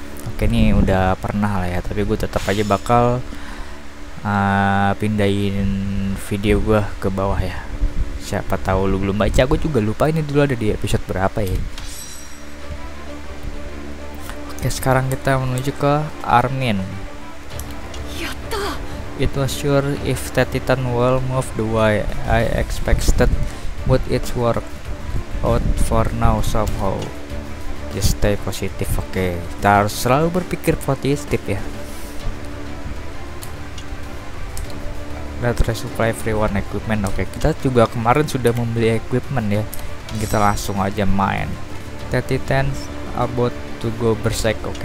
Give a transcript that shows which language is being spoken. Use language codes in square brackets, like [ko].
[id] Oke, ini udah pernah lah ya. Tapi gue tetap aja bakal pindahin video gue ke bawah ya. Siapa tahu lo belum baca. Gue juga lupa ini dulu ada di episode berapa ya. Oke, sekarang kita menuju ke Armin. [en] It was sure if the Titan will move the way I expected, would it work out for now somehow? Just stay positive, oke. [id] Kita harus selalu berpikir positif ya. [en] Let's resupply everyone equipment, [id] oke. Kita juga kemarin sudah membeli equipment ya. Kita langsung aja main. [en] The Titan about to go berserk, oke.